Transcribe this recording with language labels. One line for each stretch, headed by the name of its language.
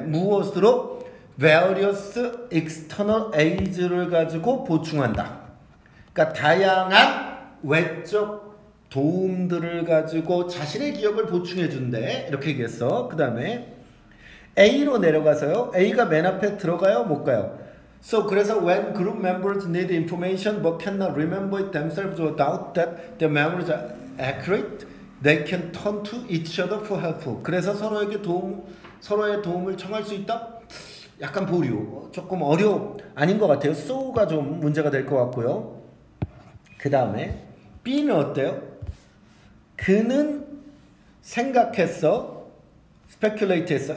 Korean: 무엇으로?
English: Various external aids
Korean: 를 가지고 보충한다. 그러니까 다양한 외적 도움들을 가지고 자신의 기억을 보충해준대. 이렇게 얘기했어. 그 다음에 A로 내려가서요. A가 맨 앞에 들어가요? 못 가요?
English: So, 그래서 when group members need information but cannot remember it themselves or doubt that their memories are accurate, they can turn to each other for help.
Korean: 그래서 서로에게 도움, 서로의 도움을 청할 수 있다? 약간 보류. 조금 어려 아닌 것 같아요. So가 좀 문제가 될 것 같고요. 그 다음에 B는 어때요? 그는 생각했어. Speculate 했어.